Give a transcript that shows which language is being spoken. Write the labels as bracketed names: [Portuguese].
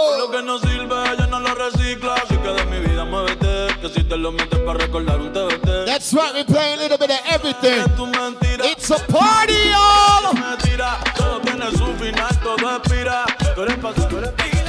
[Spanish] que no sirve, ella no lo recicla. Así que de mi vida muévete, que si te lo metes para recordar un TBT. [English] That's right, we play a little bit of everything. It's a party, y'all. [Spanish] Mentira, todo tiene su final, todo expira. Tú eres pasado, tú eres pasado.